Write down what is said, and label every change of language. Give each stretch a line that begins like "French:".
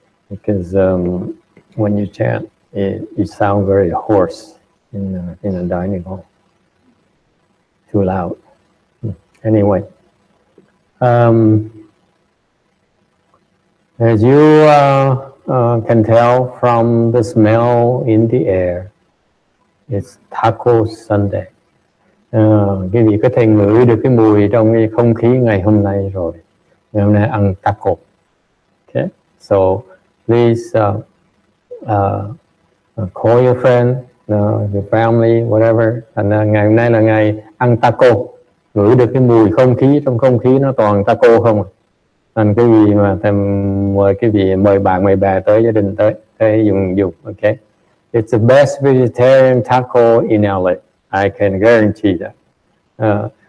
English: Because when you chant, you sound very hoarse in a dining hall. Too loud. Anyway, as you can tell from the smell in the air, it's Taco Sunday.
Vietnamese: Quý vị có thể ngửi được cái mùi trong cái không khí ngày hôm nay rồi. Ngày hôm nay ăn taco.
English: Okay, so please call your friend, your family, whatever.
Vietnamese: And ngày hôm nay là ngày ăn taco. Ngửi được cái mùi không khí, trong không khí nó toàn taco không ạ? Anh cái gì mà thèm mời cái gì mời bạn mời bè tới gia đình tới tới dùng dùng okay.
English: It's the best vegetarian taco in LA. I can guarantee that.